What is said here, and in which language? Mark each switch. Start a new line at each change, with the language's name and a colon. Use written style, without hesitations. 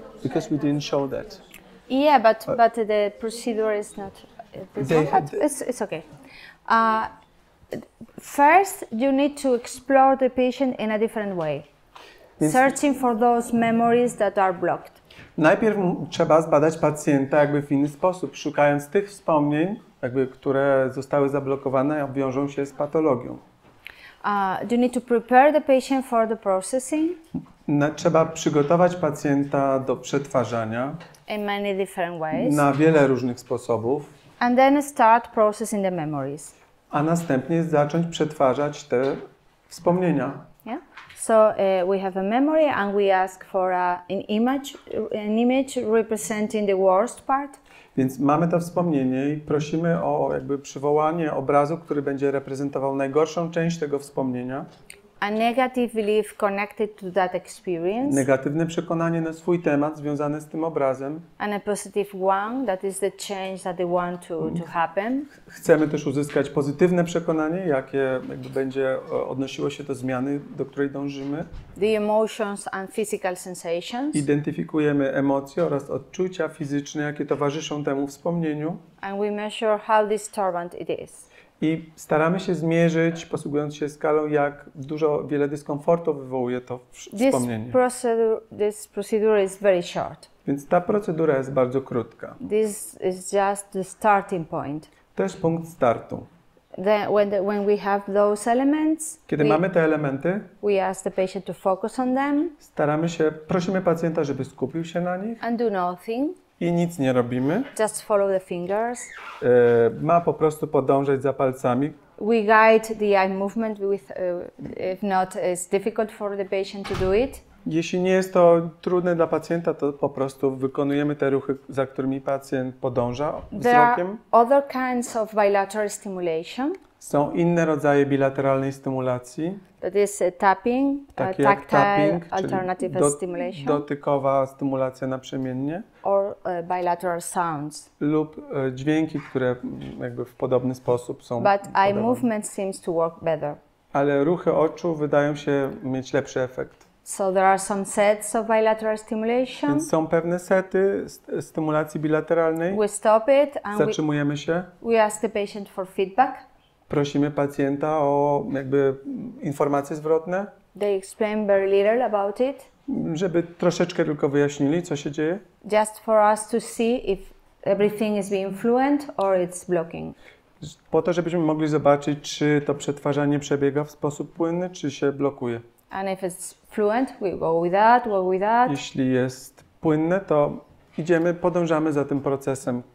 English: Because we didn't show that. Yeah, but the procedure is not. It's okay. First, you need to explore the patient in a different way, searching for those memories that are blocked.
Polish: Najpierw trzeba zbadać pacjenta jakby w inny sposób, szukając tych wspomnień, jakby, które zostały zablokowane, a wiążą się z patologią.
English: You need to prepare the patient for the processing.
Polish: Trzeba przygotować pacjenta do przetwarzania.
English: In many different ways.
Polish: Na wiele różnych sposobów.
English: And then start processing the memories.
Polish: A następnie zacząć przetwarzać te wspomnienia.
English: Yeah. So we have a memory and we ask for an image representing the worst part.
Polish: Więc mamy to wspomnienie i prosimy o jakby przywołanie obrazu, który będzie reprezentował najgorszą część tego wspomnienia.
English: A negative belief connected to that experience.
Polish: Negatywne przekonanie na swój temat związane z tym obrazem.
English: And a positive one, that is the change that they want to happen.
Polish: Chcemy też uzyskać pozytywne przekonanie, jakie jakby będzie odnosiło się do zmiany, do której dążymy.
English: The emotions and physical sensations.
Polish: Identyfikujemy emocje oraz odczucia fizyczne, jakie towarzyszą temu wspomnieniu.
English: And we measure how disturbing it is.
Polish: I staramy się zmierzyć, posługując się skalą, jak dużo, wiele dyskomfortu wywołuje to wspomnienie.
English: This procedure is very short.
Polish: Więc ta procedura jest bardzo krótka.
English: This is just the starting point.
Polish: To jest punkt startu.
English: When we have those elements,
Polish: kiedy mamy te elementy,
English: we ask the patient to focus on them.
Polish: Staramy się, prosimy pacjenta, żeby skupił się na nich.
English: And do nothing.
Polish: I nic nie robimy.
English: Just follow the fingers.
Polish: Ma po prostu podążać za palcami.
English: We guide the eye movement with, if not, it's difficult for the patient to do it.
Polish: Jeśli nie jest to trudne dla pacjenta, to po prostu wykonujemy te ruchy, za którymi pacjent podąża wzrokiem.
English: There are other kinds of bilateral stimulation.
Polish: Są inne rodzaje bilateralnej stymulacji.
English: That is tapping,
Polish: takie jak
English: tapping, alternative stimulation.
Polish: Dotykowa stymulacja naprzemiennie.
English: Or bilateral sounds.
Polish: Lub dźwięki, które jakby w podobny sposób są.
English: But eye movement seems to work better.
Polish: Ale ruchy oczu wydają się mieć lepszy efekt.
English: So there are some sets of bilateral stimulation.
Polish: Więc są pewne sety stymulacji bilateralnej.
English: We stop it and
Polish: zatrzymujemy się.
English: We ask the patient for feedback.
Polish: Prosimy pacjenta o jakby informacje zwrotne.
English: They explain very little about it.
Polish: Żeby troszeczkę tylko wyjaśnili, co się dzieje.
English: Just for us to see if everything is being fluent or it's blocking.
Polish: Po to, żebyśmy mogli zobaczyć, czy to przetwarzanie przebiega w sposób płynny, czy się blokuje.
English: And if it's fluent, we go with that, go with that.
Polish: Jeśli jest płynne, to idziemy, podążamy za tym procesem.